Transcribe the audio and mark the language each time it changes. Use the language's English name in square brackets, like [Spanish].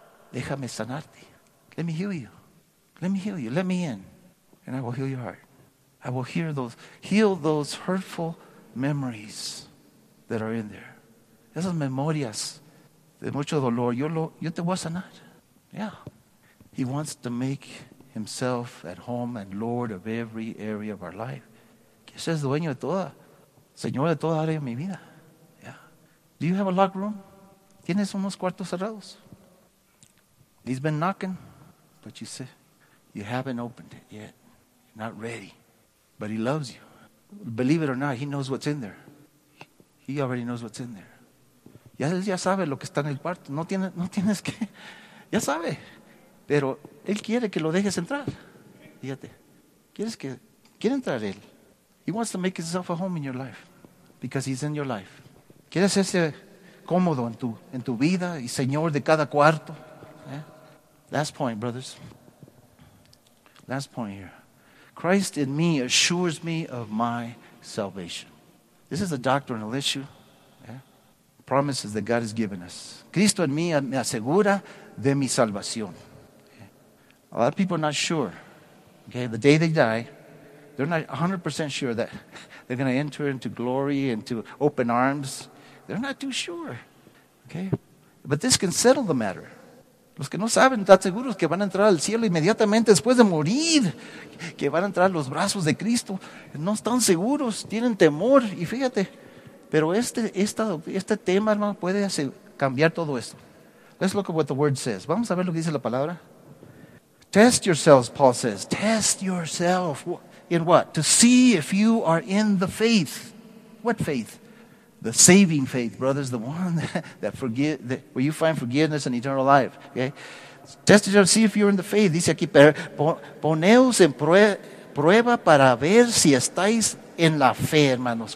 [Spanish] Déjame sanarte. [English] Let me heal you. Let me heal you. Let me in. And I will heal your heart. I will heal those hurtful memories. that are in there. [Spanish] Esas memorias de mucho dolor, yo te voy a sanar. [English] Yeah. He wants to make himself at home and Lord of every area of our life. [Spanish] Que seas dueño de toda, Señor de toda área de mi vida. [English] Yeah. Do you have a locked room? [Spanish] ¿Tienes unos cuartos cerrados? [English] He's been knocking, but you say, you haven't opened it yet. You're not ready. But he loves you. Believe it or not, he knows what's in there. He already knows what's in there. [Spanish] Ya él ya sabe lo que está en el cuarto. No tienes que. Ya sabe. Pero él quiere que lo dejes entrar. Fíjate. Quiere entrar él. [English] He wants to make himself a home in your life. Because he's in your life. [Spanish] Quiere hacerse cómodo en tu vida y señor de cada cuarto. [English] ¿Eh? Last point, brothers. Last point here. Christ in me assures me of my salvation. This is a doctrinal issue. Yeah? Promises that God has given us. [Spanish] Cristo en mí me asegura de mi salvación. [English] Yeah. A lot of people are not sure. Okay, the day they die, they're not 100% sure that they're going to enter into glory, into open arms. They're not too sure. Okay, but this can settle the matter. [Spanish] Los que no saben están seguros que van a entrar al cielo inmediatamente después de morir, que van a entrar a los brazos de Cristo. No están seguros, tienen temor. Y fíjate, pero este tema, hermano, puede hacer cambiar todo esto. [English] Let's look at what the word says. [Spanish] Vamos a ver lo que dice la palabra. [English] Test yourselves, Paul says. Test yourself. In what? To see if you are in the faith. What faith? The saving faith, brothers, the one that where you find forgiveness and eternal life. Okay? Test yourself, see if you're in the faith. [Spanish] Dice aquí, poneos en prueba para ver si estáis en la fe, hermanos.